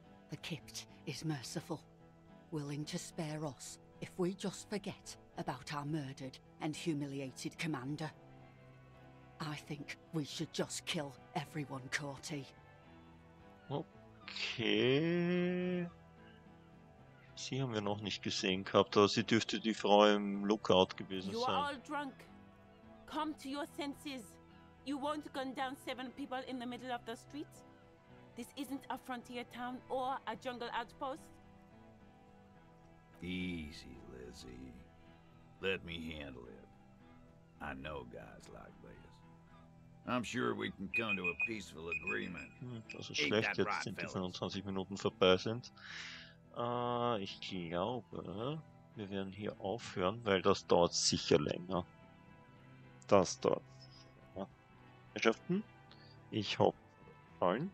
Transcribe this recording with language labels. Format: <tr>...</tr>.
<en>The Kipt is merciful, willing to spare us if we just forget about our murdered and humiliated commander. I think we should just kill everyone, Corti. Okay.</en> <de>Sie haben wir noch nicht gesehen gehabt, aber sie dürfte die Frau im Lookout gewesen sein.</de> <en>You are all drunk. Come to your senses. You won't gun down 7 people in the middle of the street. This isn't a frontier town or a jungle outpost. Easy, Lizzie. Let me handle it. I know guys like this. I'm sure we can come to a peaceful agreement.</en> <de>Also schlecht jetzt, sind die 25 Minuten vorbei sind. Ich glaube, wir werden hier aufhören, weil das dauert sicher länger. Das dauert Herrschaften, ich hoffe, allen.</de>